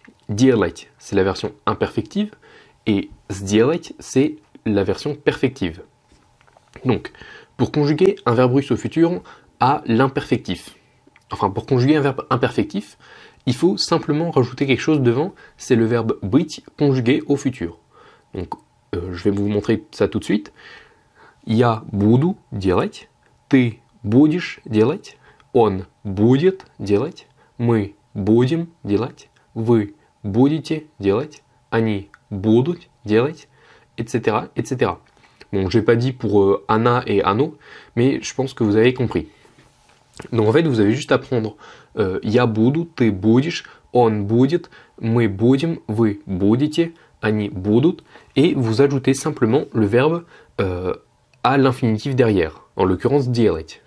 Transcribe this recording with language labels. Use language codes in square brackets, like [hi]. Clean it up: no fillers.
[fr] Dialet, c'est la version imperfective, et sdialet, c'est la version perfective. Donc, pour conjuguer un verbe russe au futur à l'imperfectif, enfin pour conjuguer un verbe imperfectif, il faut simplement rajouter quelque chose devant, c'est le verbe brit conjugué au futur. Donc, je vais vous montrer ça tout de suite. [ru] Я буду делать, ты будешь делать, он будет делать, мы будем делать, вы будете делать, они будут делать, etc., etc. [fr] Bon, je n'ai pas dit pour Anna et Anno, mais je pense que vous avez compris. Donc en fait, vous avez juste à prendre [ru] Я буду, ты будешь, он будет, мы будем, вы будете, они будут, [fr] et vous ajoutez simplement le verbe à l'infinitif derrière, en l'occurrence делать.